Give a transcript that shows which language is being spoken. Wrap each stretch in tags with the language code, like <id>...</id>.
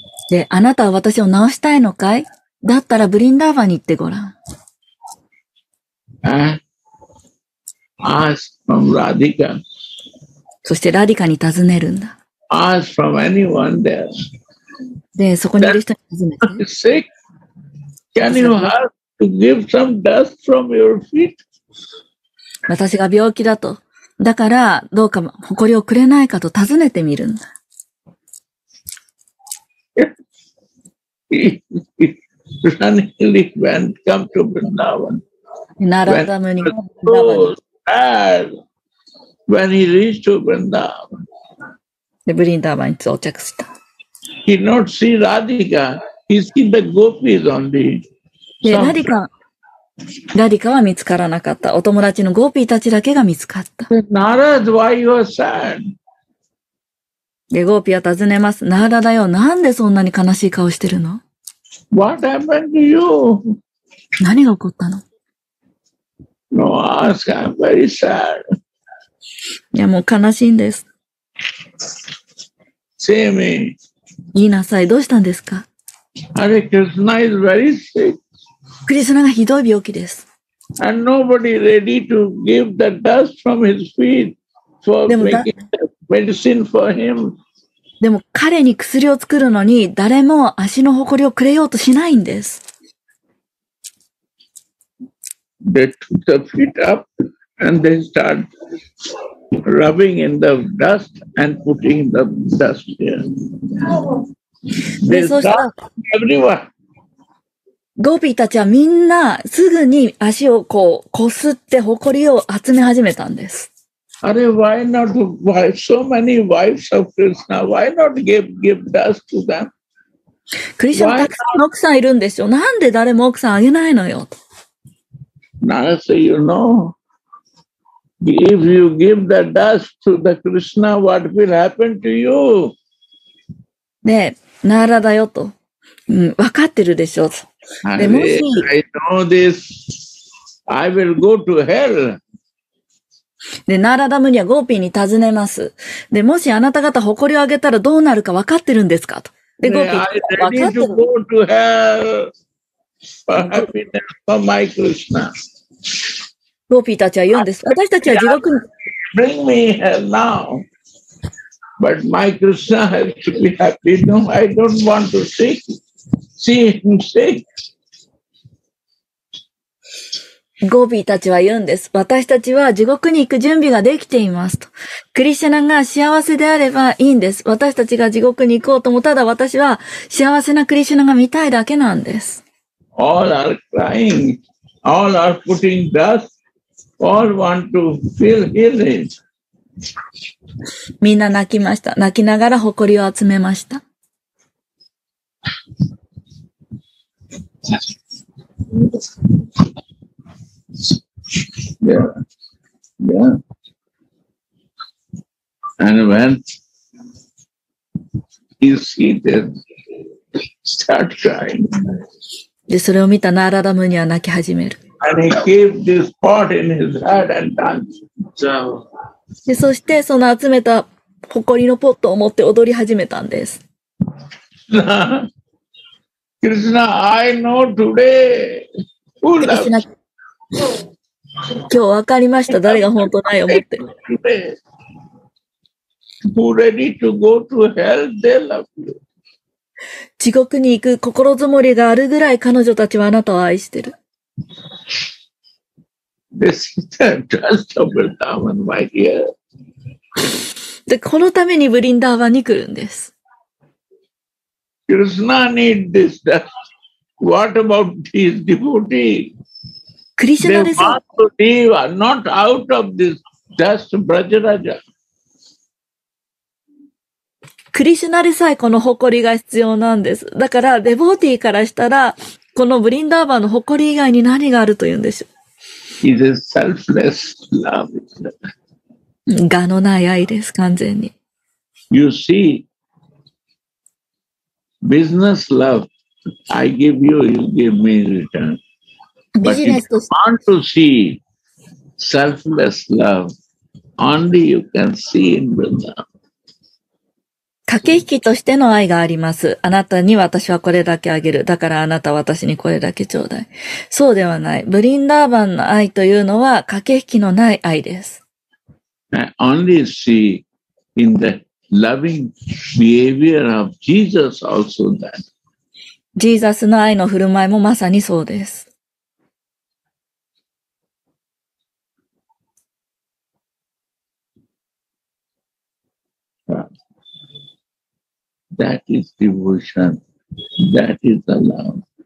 <ja>で、あなたは私を治したいのかい？だったらブリンダーバンに行ってごらん。</ja> <en>Ask from Radhika.</en> <ja>そしてラディカに尋ねるんだ。</ja> <en>Ask from anyone there.</en> <ja>で、そこにいる人に尋ねて。</ja> <en>Sick? Can you help to give some dust from your feet?</en> <ja>私が病気だと。だから、どうか埃をくれないかと尋ねてみるんだ。</ja> <en>Suddenly went come to Vrindavan. Narada Muni was when he reached to Vrindavan. The Vrindavan is all checked. He not see Radhika. He see the gopis only. Radhika was</en> <ja>見つからなかった。お友達のゴーピーたちだけが見つかった。</ja> <en>Narada, why you are sad?</en> <ja>で、ゴーピーは尋ねます。ナーラダよ、なんでそんなに悲しい顔してるの？</ja> <en>What happened to you?</en> <ja>何が起こったの</ja> <en>?No, ask, I'm very sad.</en> <ja>いや、もう悲しいんです。</ja> <en>See me.</en> <ja>言いなさい、どうしたんですか</ja> <en>?Hare Krishna is very sick.</en> <ja>クリスナがひどい病気です。</ja> <en>And nobody ready to give the dust from his feet for making the medicine for him.</en> <ja>でも彼に薬を作るのに誰も足の埃をくれようとしないんです。</ja> <en>They took the feet up and they start rubbing in the dust and putting the dust here. They stop everyone.</en> <ja>ゴピーたちはみんなすぐに足をこう擦って埃を集め始めたんです。</ja> <en>Are why not why so many wives of Krishna? Why not give dust to them?</en> <ja>Krishna, たくさんの奥さんいるんですよ。なんで誰も奥さんあげないのよ。</ja> <en>Narada say, you know, if you give the dust to the Krishna, what will happen to you?</en> <ja>ねえ、Narada よと、うん、わかってるでしょ。でもし、</ja> <en>I know this. I will go to hell.</en> <ja>で、ナーラダムニはゴーピーに尋ねます。で、もしあなた方誇りをあげたらどうなるか分かってるんですかと。で、ゴーピーが分かってる。</ja> <en>I'm ready to go to hell for happiness for my Krishna.</en> <ja>ローピーたちは言うんです。私たちは地獄に。</ja> <en>Bring me hell now. But my Krishna has to be happy. No, I don't want to see him sick.</en> <ja>ゴビーたちは言うんです。私たちは地獄に行く準備ができていますと。クリシュナが幸せであればいいんです。私たちが地獄に行こうとも、ただ私は幸せなクリシュナが見たいだけなんです。</ja> <en>All are crying. All are putting dust. All want to feel healing.</en> <ja>みんな泣きました。泣きながら埃を集めました。</ja> <en>Yeah. And when he seated, start crying.</en> <ja>で、それを見たナーラダムニは泣き始める。</ja> <en>And he keep this pot in his head and dance.</en> <ja>で、そしてその集めた埃のポットを持って踊り始めたんです。</ja> <en>Krishna, I know today. Who loves you?</en> <ja>今日分かりました。誰が本当ないと思って。</ja> <en>Who ready to go to hell? They love you.</en> <ja>地獄に行く心づもりがあるぐらい彼女たちはあなたを愛してる。</ja> <en>This is the trust of Vrindavan, my dear.</en> <ja>で、このためにブリンダーバンに来るんです。</ja> <en>Krishna need this. What about these devotees?</en> <ja>クリシュナです。</ja> <en>Not out of this dust, Brajaraja.</en> <ja>クリシュナでさえこの誇りが必要なんです。だからデボーティーからしたら、このブリンダーバーの誇り以外に何があるというんでしょう。</ja> <en>It is selfless love.</en> <ja>我のない愛です、完全に。</ja> <en>You see, business love, I give you, you give me in return. But if you want to see selfless love, only you can see in Vrindavan.</en> <ja>駆け引きとしての愛があります。あなたに私はこれだけあげる。だからあなたは私にこれだけちょうだい。そうではない。ブリンダーバンの愛というのは駆け引きのない愛です。</ja> <en>I only see in the loving behavior of Jesus also that.</en> <ja>ジーザスの愛の振る舞いもまさにそうです。</ja> <en>That is devotion. That is the love.</en>